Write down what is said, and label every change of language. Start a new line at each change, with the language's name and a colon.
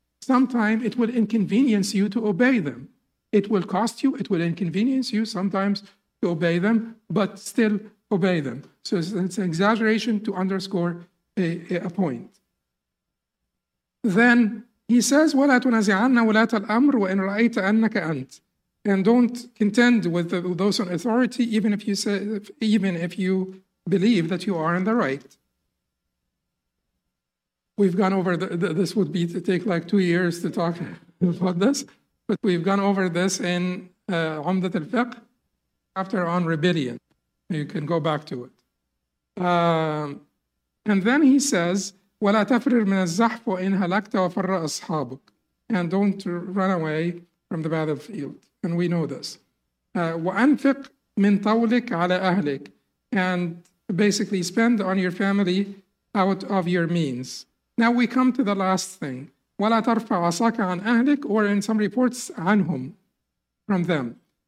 English: Sometimes it will inconvenience you to obey them. It will cost you, it will inconvenience you sometimes to obey them, but still obey them. So it's an exaggeration to underscore a point. Then he says,
Arabic: وَلَا تُنَزِعَنَّ وَلَاةَ الْأَمْرُ وَإِنْ رَأَيْتَ أَنَّكَ أَنْتَ.
English: And don't contend with those on authority, even if you believe that you are in the right. We've gone over, this would be to take like 2 years to talk about this, but we've gone over this in عُمْدَةَ الْفِقْهِ, after on rebellion. You can go back to it. And then he says,
Arabic: وَلَا تَفْرِرْ مِنَ الزَّحْفُ وَإِنْ هَلَكْتَ وَفَرَّ أَصْحَابُكَ.
English: And don't run away from the battlefield. And we know this.
Arabic: وَأَنْفِقْ مِنْ طَوْلِكَ عَلَى أَهْلِكَ.
English: And basically spend on your family out of your means. Now we come to the last thing.
Arabic: وَلَا تَرْفَعْ عَصَاكَ عَنْ أَهْلِكَ,
English: or in some reports, عَنْهُمْ, from them.